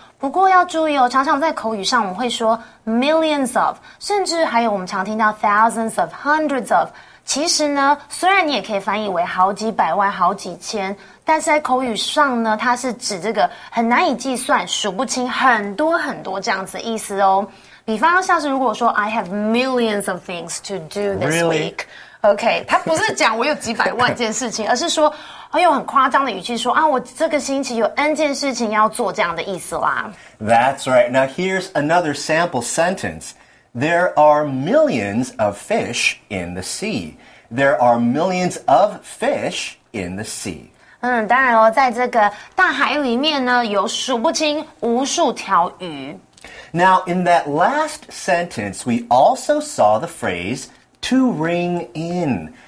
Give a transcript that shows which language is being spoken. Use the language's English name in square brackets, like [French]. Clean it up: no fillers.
[Chinese] 不过要注意哦，常常在口语上我们会说 millions of, 甚至还有我们常听到 thousands of, hundreds of,其实呢，虽然你也可以翻译为好几百万、好几千，但是在口语上呢，它是指这个很难以计算、数不清、很多很多这样子的意思哦。比方像是如果说 [English] I have millions of things to do this week. [Chinese] OK, 它不是讲我有几百万件事情，而是说我用很夸张的语气说啊，我这个星期有 N 件事情要做这样的意思啦。 [English] That's right. Now here's another sample sentence. There are millions of fish in the sea. There are millions of fish in the sea. [Chinese] 当然哦，在这个大海里面呢，有数不清无数条鱼。 [English] Now, in that last sentence, we also saw the phrase to ring in.